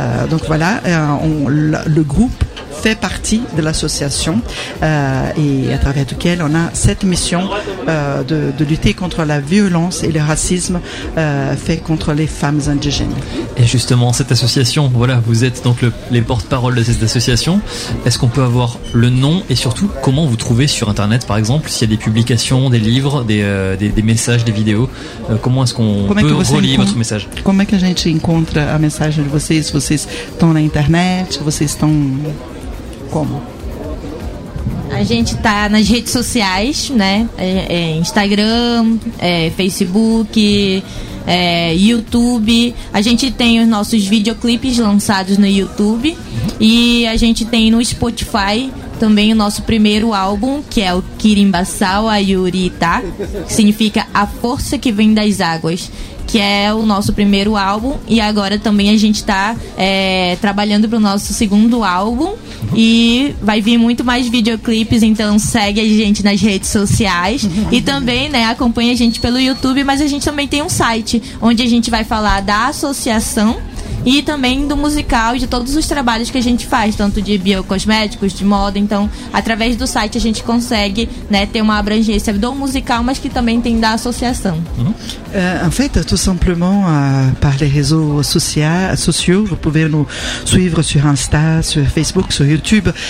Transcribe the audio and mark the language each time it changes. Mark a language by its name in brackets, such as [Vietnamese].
[French] Donc voilà, le groupe fait partie de l'association et à travers lequel on a cette mission de lutter contre la violence et le racisme fait contre les femmes indigènes. Et justement, cette association, voilà, vous êtes donc les porte-parole de cette association. Est-ce qu'on peut avoir le nom et surtout comment vous trouvez sur internet, par exemple, s'il y a des publications, des livres, des messages, des vidéos, comment est-ce qu'on comment peut que relier votre message? Comment est-ce que [Portuguese] a gente encontra a mensagem de vocês? Vocês estão na internet? Vocês estão... Como? A gente tá nas redes sociais, né? Instagram, Facebook, YouTube. A gente tem os nossos videoclipes lançados no YouTube e a gente tem no Spotify também o nosso primeiro álbum, que é o Kirimbasau Ayurita, que significa A Força que Vem das Águas, que é o nosso primeiro álbum. E agora também a gente está trabalhando para o nosso segundo álbum. E vai vir muito mais videoclipes, então segue a gente nas redes sociais. E também, né, acompanha a gente pelo YouTube, mas a gente também tem um site onde a gente vai falar da associação e também do musical e de todos os trabalhos que a gente faz, tanto de biocosméticos, de moda. Então, através do site a gente consegue, né, ter uma abrangência do musical, mas que também tem da associação. [French] En fait, tout simplement par les réseaux sociaux, vous pouvez nous suivre sur Insta, sur Facebook, sur YouTube.